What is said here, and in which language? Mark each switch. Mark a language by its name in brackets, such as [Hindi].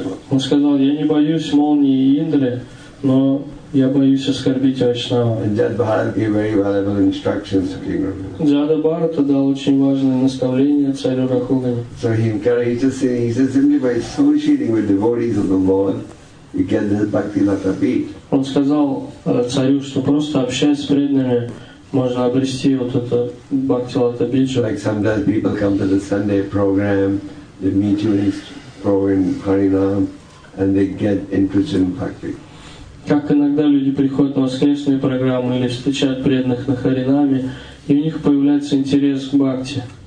[Russian] Он сказал, я не боюсь молнии и Индры, но я боюсь оскорбить Вайшнава. Джада Бхарата дал очень важное наставление царю Рахугане. [English] So he encouraged, he said, simply by associating with devotees of the Lord, you get this bhakti lata beat. [Russian] Он сказал царю, что просто общаясь с преданными, можно обрести вот это бхакти лата биджу. [English] Like sometimes people come to the Sunday program, they meet you in his program, Харинам, and they get interested in bhakti. [Russian] Как иногда люди приходят на воскресные программы или встречают преданных на Харинаме, и у них появляется интерес к бхакти.